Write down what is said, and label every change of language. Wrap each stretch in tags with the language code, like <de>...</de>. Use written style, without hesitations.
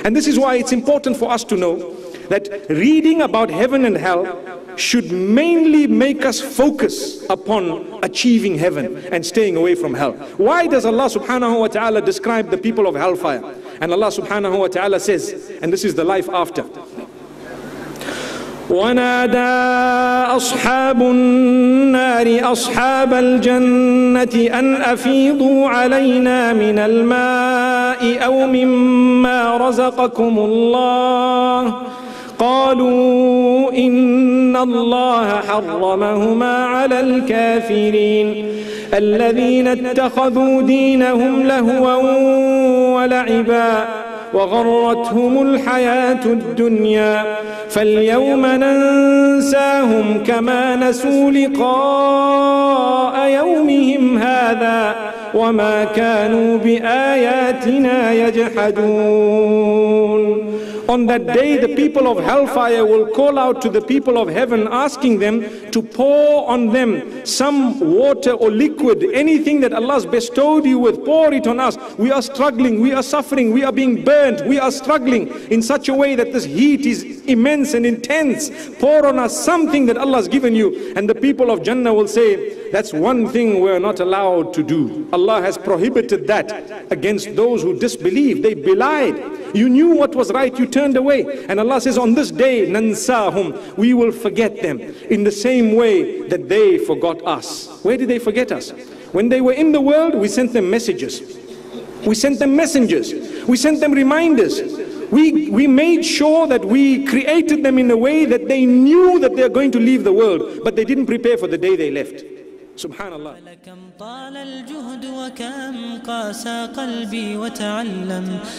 <en>And this is why it's important for us to know that reading about heaven and hell should mainly make us focus upon achieving heaven and staying away from hell. Why does Allah subhanahu wa ta'ala describe the people of hellfire? And Allah subhanahu wa ta'ala says, and this is the life after.</en> <ar>وَنَادَى أَصْحَابُ النَّارِ أَصْحَابَ الْجَنَّةِ أَنْ أَفِيضُوا عَلَيْنَا مِنَ الْمَاءِ أَوْ مِمَّا رَزَقَكُمُ اللَّهِ قَالُوا إِنَّ اللَّهَ حَرَّمَهُمَا عَلَى الْكَافِرِينَ الَّذِينَ اتَّخَذُوا دِينَهُمْ لَهُوًا وَلَعِبًا وغرتهم الحياة الدنيا فاليوم ننساهم كما نسوا لقاء يومهم هذا وما كانوا بآياتنا يجحدون.</ar> <en>On that day, the people of hellfire will call out to the people of heaven, asking them to pour on them some water or liquid, anything that Allah has bestowed you with, pour it on us. We are struggling, we are suffering, we are being burnt, we are struggling in such a way that this heat is immense and intense. Pour on us something that Allah has given you. And the people of Jannah will say, that's one thing we're not allowed to do. Allah has prohibited that against those who disbelieve. They belied. You knew what was right, you turned away. And Allah says, on this day, nansahum, we will forget them in the same way that they forgot us. Where did they forget us? When they were in the world, we sent them messages. We sent them messengers. We sent them reminders. We made sure that we created them in a way that they knew that they're going to leave the world, but they didn't prepare for the day they left.</en> <ar>Subhanallah. فلكم طال الجهد وكم قاسى قلبي وتعلم</ar>